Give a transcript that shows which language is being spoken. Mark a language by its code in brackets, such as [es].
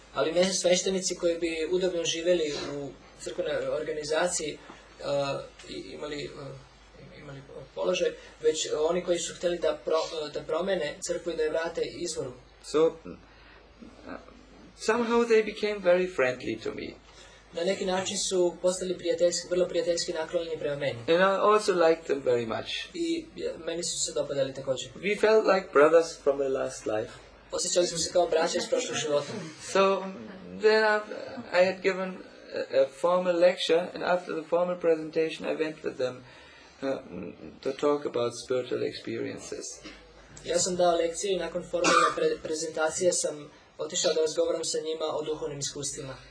[sr] Ali ne sveštenici koji bi udobno živeli u crkvenoj organizaciji imali položaj, već oni koji su hteli da da promene crkvu i da je vrate izvoru. [en] So somehow they became very friendly to me. [sr] Na neki način su postali prijateljski, vrlo prijateljski naklonjeni prema meni. [en] And I also liked them very much. [sr] I meni su se dopadali također. [en] We felt like brothers from the last life. [sr] Osjećali smo se kao braća iz prošlog života. [en] So then I had given a formal lecture, and after the formal presentation I went with them to talk about spiritual experiences. [sr] Ja sam dao lekcije i nakon formalne prezentacije sam otišao da razgovaram sa njima o duhovnim iskustvima.